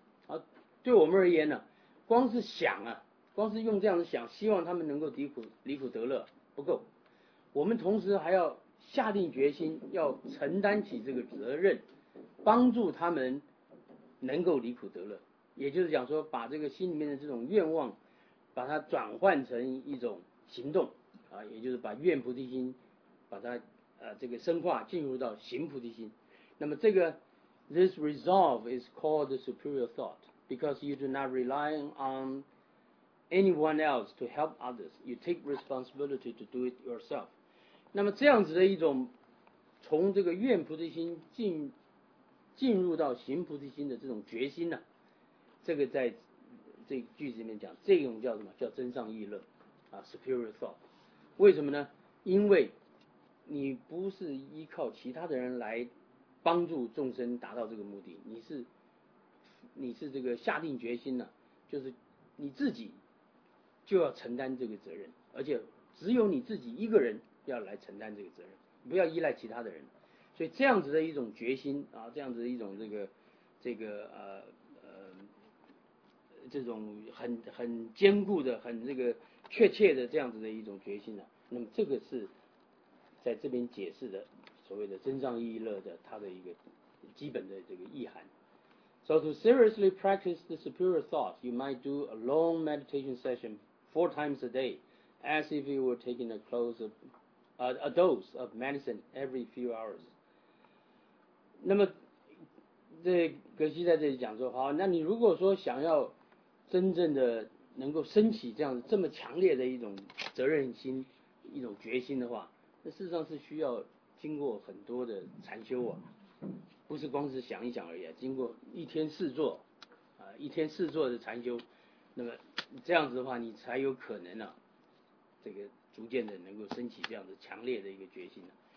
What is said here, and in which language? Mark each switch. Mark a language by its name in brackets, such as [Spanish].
[Chinese] 啊，对我们而言呢、啊，光是想啊，光是用这样的想，希望他们能够离苦得乐不够，我们同时还要下定决心，要承担起这个责任，帮助他们能够离苦得乐。也就是讲说，把这个心里面的这种愿望，把它转换成一种行动啊，也就是把愿菩提心，把它这个深化进入到行菩提心。那么这个 [English] this resolve is called the superior thought because you do not rely on anyone else to help others, you take responsibility to do it yourself. [Chinese] 那么这样子的一种从这个愿菩提心进入到行菩提心的这种决心呢、啊？这个在这句子里面讲，这种叫什么？叫真上意论啊 ，superior thought。为什么呢？因为你不是依靠其他的人来帮助众生达到这个目的，你是这个下定决心呢、啊，就是你自己就要承担这个责任，而且只有你自己一个人要来承担这个责任，不要依赖其他的人。所以这样子的一种决心啊，这样子的一种这种很坚固的、很这个确切的这样子的一种决心呢、啊，那么这个是在这边解释的所谓的真上意乐的它的一个基本的这个意涵。 [English] So to seriously practice the superior thought, you might do a long meditation session 4 times a day, as if you were taking a dose of medicine every few hours. [Chinese] 那么这格西在这里讲说，好，那你如果说想要真正的能够升起这样这么强烈的一种责任心、一种决心的话，那事实上是需要经过很多的禅修啊，不是光是想一想而已、啊，经过一天四坐，一天四坐的禅修，那么这样子的话，你才有可能呢、啊，这个逐渐的能够升起这样的强烈的一个决心、啊。